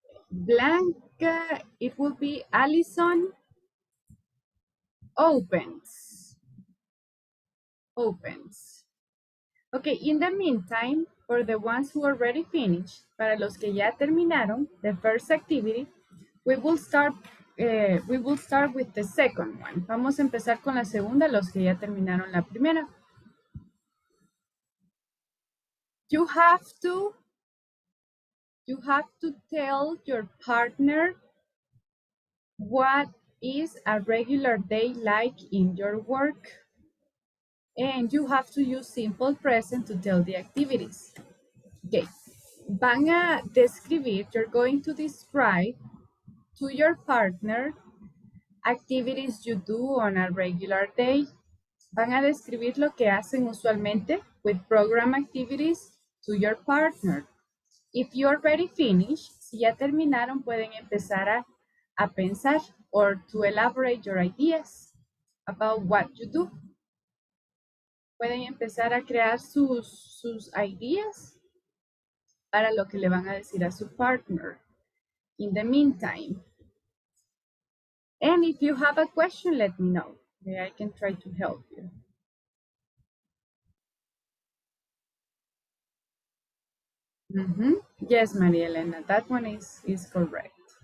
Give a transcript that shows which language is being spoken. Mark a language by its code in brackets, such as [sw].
[en] Blanca, it will be Allison opens. Okay, in the meantime, for the ones who already finished, [es] para los que ya terminaron [en] the first activity, we will start with the second one. [es] Vamos a empezar con la segunda, los que ya terminaron la primera. [en] You have to tell your partner what is a regular day like in your work. And you have to use simple present to tell the activities. Okay. [es] Van a describir, [en] you're going to describe to your partner activities you do on a regular day. [es] Van a describir lo que hacen usualmente [en] with program activities. To your partner. If you already finished, [es] si ya terminaron, pueden empezar a pensar [en] or to elaborate your ideas about what you do. [es] Pueden empezar a crear sus ideas para lo que le van a decir a su partner. [en] In the meantime. And if you have a question, let me know. Okay, I can try to help you. Mm-hmm. Yes, Maria Elena, that one is correct.